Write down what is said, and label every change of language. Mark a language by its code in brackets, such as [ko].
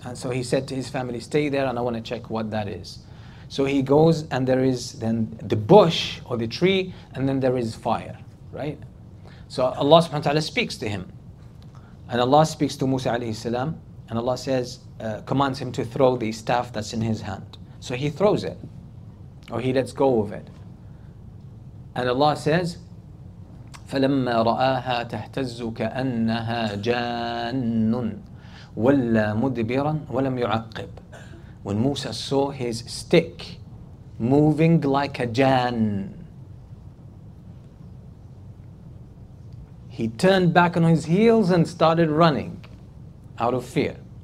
[en] And so he said to his family, stay there and I want to check what that is. So he goes and there is then the bush or the tree and then there is fire, right? So Allah subhanahu wa ta'ala speaks to him. And Allah speaks to Musa alayhi salam. And Allah says, commands him to throw the staff that's in his hand. So he throws it, or he lets go of it. [ar] And Allah says, فَلَمَّا رَآهَا تَهْتَزُّ كَأَنَّهَا جَانٌ وَلَّا مُدْبِرًا وَلَمْ يُعَقِّبْ. [en] When Musa saw his stick moving like a jann, he turned back on his heels and started running out of fear.